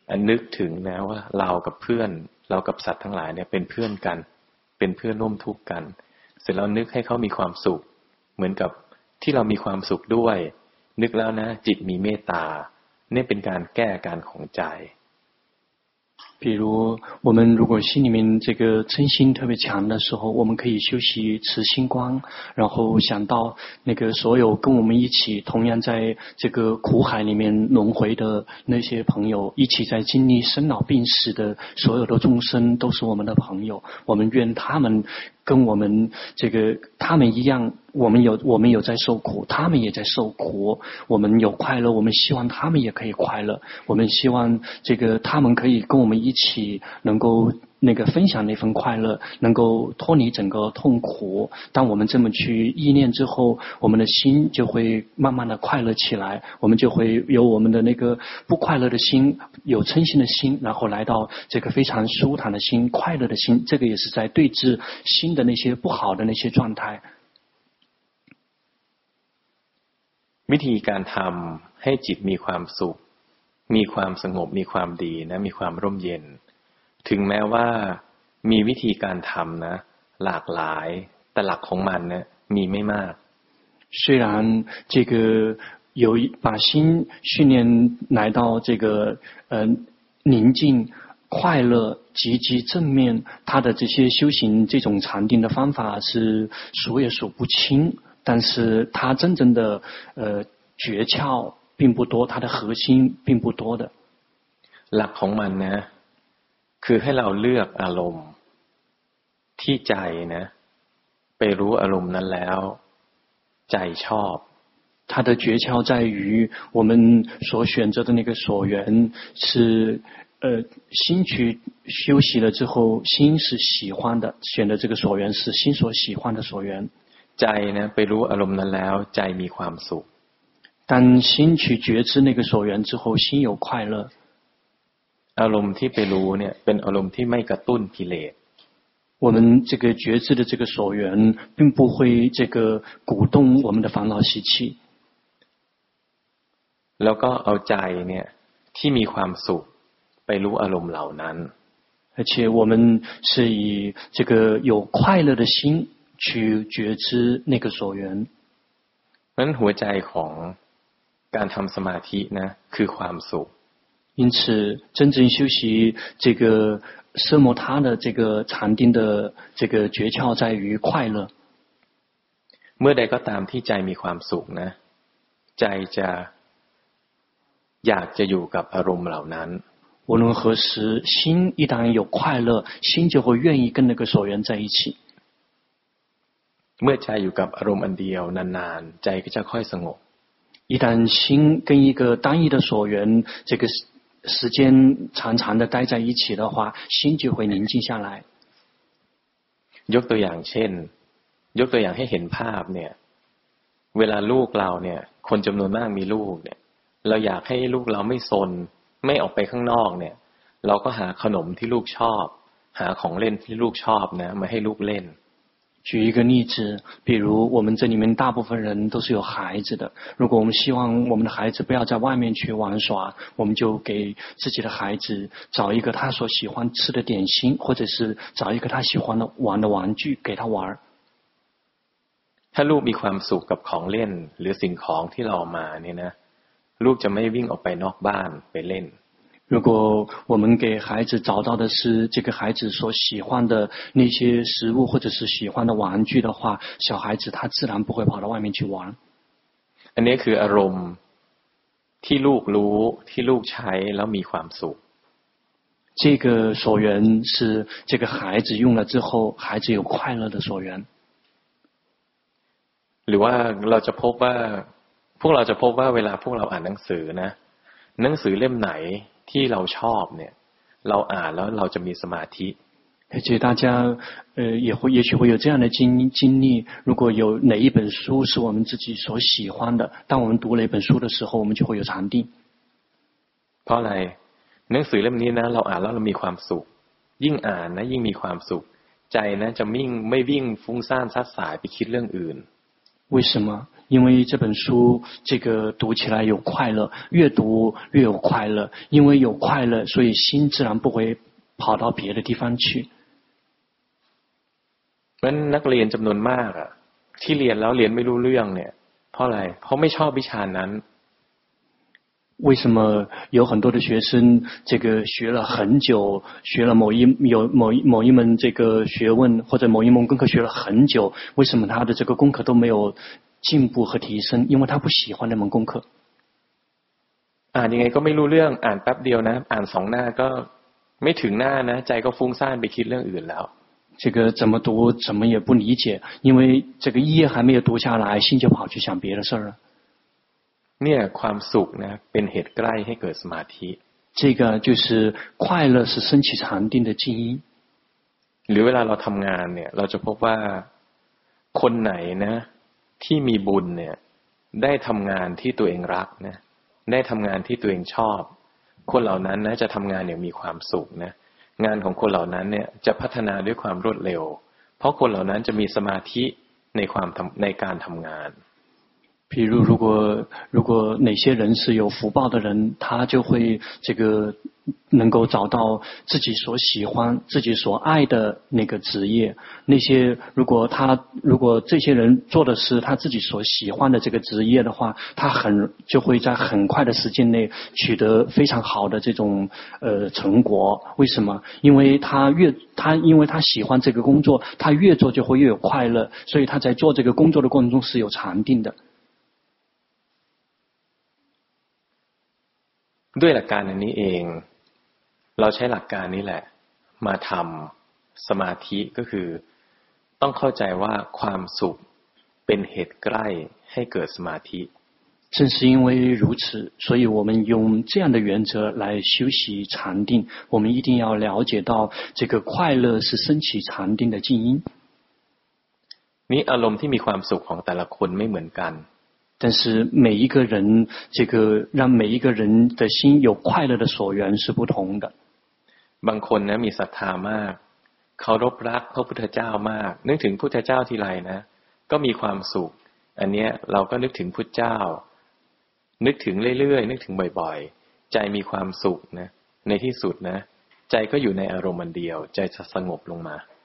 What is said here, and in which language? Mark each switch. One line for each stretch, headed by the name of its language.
Thai: นึกถึงนะว่าเรากับเพื่อนเรากับสัตว์ทั้งหลายเนี่ยเป็นเพื่อนกันเป็นเพื่อนร่วมทุกข์กันเสร็จแล้วนึกให้เขามีความสุขเหมือนกับที่เรามีความสุขด้วยนึกแล้วนะจิตมีเมตตาเนี่ยเป็นการแก้อาการของใจ
Chinese: 比如我们如果心里面这个嗔心特别强的时候，我们可以休息持心观，然后想到那个所有跟我们一起同样在这个苦海里面轮回的那些朋友，一起在经历生老病死的所有的众生都是我们的朋友，我们愿他们跟我们这个他们一样，我们有在受苦，他们也在受苦，我们有快乐，我们希望他们也可以快乐，我们希望这个他们可以跟我们一起能够那个分享那份快乐，能够脱离整个痛苦。当我们这么去意念之后，我们的心就会慢慢的快乐起来，我们就会由我们的那个不快乐的心，有嗔心的心，然后来到这个非常舒坦的心，快乐的心，这个也是在对治心的那些不好的那些状态。
Thai: วิธีการทำให้จิตมีความสุขมีความสงบมีความดีนะมีความร่มเย็นถึงแม้ว่ามีวิธีการทำนะหลากหลายแต่หลักของมันนะมีไม่มาก
Chinese: 虽然这个有把心训练来到这个宁静快乐积极正面，他的这些修行这种禅定的方法是数也数不清，但是他真正的诀窍并不多，他的核心并不多的。
Thai: หลักของมันนะคือให้เราเลือกอารมณ์ที่ใจนะไปรู้อารมณ์นั้นแล้วใจชอบ
Chinese: 它的诀窍在于我们所选择的那个所缘是心去休息了之后心是喜欢的，选择这个所缘是心所喜欢的所缘。
Thai: ใจนะไปรู้อารมณ์นั้นแล้วใจมีความสุข
Chinese: 当心去觉知那个所缘之后心有快乐。
Thai: อารมณ์ที่ไปรู้เนี่ยเป็นอารมณ์ที่ไม่กระตุ้นกิเลส
Chinese: 我们这个觉知的这个所缘并不会这个鼓动我们的烦恼习气
Thai: แล้วก็เอาใจเนี่ยที่มีความสุขไปรู้อารมณ์เหล่านั้น
Chinese: 而且我们是以这个有快乐的心去觉知那个所缘
Thai: นั้นหัวใจของการทำสมาธินะคือความสุข
Chinese: 因此真正修习这个奢摩他的这个禅定的这个诀窍在于快乐
Thai: เมื่อใดก็ตามที่ใจมีความสุขนะใจจะอยากจะอยู่กับอารมณ์เหล่านั้น
Chinese: 无论何时心一旦有快乐心就会愿意跟那个所缘在一起
Thai: เมื่อใจอยู่กับอารมณ์อันเดียวนานๆใจก็จะค่อยสงบ
Chinese: 一旦心跟一个单一的所缘这个时间长长的待在一起的话心就会宁静下来
Thai: ยกตัวอย่างเช่นยกตัวอย่างให้เห็นภาพเนี่ยเวลาลูกเราเนี่ยคนจำนวนมากมีลูกเนี่ยเราอยากให้ลูกเราไม่ซนไม่ออกไปข้างนอกเนี่ยเราก็หาขนมที่ลูกชอบหาของเล่นที่ลูกชอบนะมาให้ลูกเล่น
Chinese: 举一个例子，比如我们这里面大部分人都是有孩子的，如果我们希望我们的孩子不要在外面去玩耍，我们就给自己的孩子找一个他所喜欢吃的点心，或者是找一个他喜欢的玩的玩具给他玩。
Thai: ถ้าลูกมีความสุขกับของเล่นหรือสิ่งของที่เราเอามาเนี่ยนะลูกจะไม่วิ่งออกไปนอกบ้านไปเล่น
Chinese: 如果我们给孩子找到的是这个孩子所喜欢的那些食物或者是喜欢的玩具的话小孩子他自然不会跑到外面去玩
Thai: อันนี้คืออารมณ์ที่ลูกรู้ที่ลูกใช้แล้วมีความสุข
Chinese: 这个所缘是这个孩子用了之后孩子有快乐的所缘
Thai: หรือว่าเราจะพบว่าพวกเราจะพบว่าเวลาพวกเราอ่านหนังสือนะหนังสือเล่มไหนที่เราชอบเนี่ยเราอ่านแล้วเราจะมีสมาธิ
Chinese: 而且大家也许会有这样的经历如果有哪一本书是我们自己所喜欢的当我们读了一本书的时候我们就会有禅定
Thai: เพราะอะไรหนังสือเล่มนี้นะเราอ่านแล้วเรามีความสุขยิ่งอ่านนะยิ่งมีความสุขใจนะจะไม่วิ่งฟุ้งซ่านซัดสายไปคิดเรื่องอื่น
Chinese: 为什么因为这本书这个读起来有快乐越读越有快乐因为有快乐所以心自然不会跑到别的地方去
Thai: เพราะนักเรียนจำนวนมากอะที่เรียนแล้วเรียนไม่รู้เรื่องเนี่ยเพราะอะไรเพราะไม่ชอบวิชานั้น
Chinese: 为什么有很多的学生这个学了很久，学了某一门这个学问，或者某一门功课学了很久，为什么他的这个功课都没有进步和提升？因为他不喜欢那门功课。
Thai: ยังไงก็ไม่รู้เรื่องอ่านแป๊บเดียวนะอ่านสองหน้าก็ไม่ถึงหน้านะใจก็ฟุ้งซ่านไปคิดเรื่องอื่นแล้ว
Chinese: 这个怎么读怎么也不理解，因为这个一页还没有读下来，心就跑去想别的事了。
Thai: เนี่ยความสุขนะเป็นเหตุใกล้ให้เกิดสมาธิ
Chinese: 这个就是快乐是升起禅定的基因
Thai: หรือเวลาเราทำงานเนี่ยเราจะพบว่าคนไหนนะที่มีบุญเนี่ยได้ทำงานที่ตัวเองรักนะได้ทำงานที่ตัวเองชอบคนเหล่านั้นนะจะทำงานอย่างมีความสุขนะงานของคนเหล่านั้นเนี่ยจะพัฒนาด้วยความรวดเร็วเพราะคนเหล่านั้นจะมีสมาธิในความในการทำงาน
Chinese: 比如如果哪些人是有福报的人，他就会这个能够找到自己所喜欢、自己所爱的那个职业。那些如果这些人做的是他自己所喜欢的这个职业的话，他很就会在很快的时间内取得非常好的这种成果。为什么？因为他喜欢这个工作，他越做就会越有快乐，所以他在做这个工作的过程中是有禅定的。
Thai: ด้วยหลักการอันนี้เองเราใช้หลักการนี้แหละมาทำสมาธิก็คือต้องเข้าใจว่าความสุขเป็นเหตุใกล้ให้เกิดสมาธิ
Chinese: 正是因为如此所以我们用这样的原则来修习禅定我们一定要了解到这个快乐是升起禅定的静音
Thai: นี่อารมณ์ที่มีความสุขของแต่ละคนไม่เหมือนกัน แต่
Chinese: 是每一个人这个让每一个人的心有快乐的所缘是不同的
Thai: บางคนนะมีศรัทธามากเคารพรักพระพุทธเจ้ามากนึกถึงพุทธเจ้าทีไรนะก็มีความสุขอันเนี้ยเราก็นึกถึงพุทธเจ้านึกถึงเรื่อยๆนึกถึงบ่อยๆใจมีความสุขนะในที่สุดนะใจก็อยู่ในอารมณ์อันเดียวใจจะสงบลงมา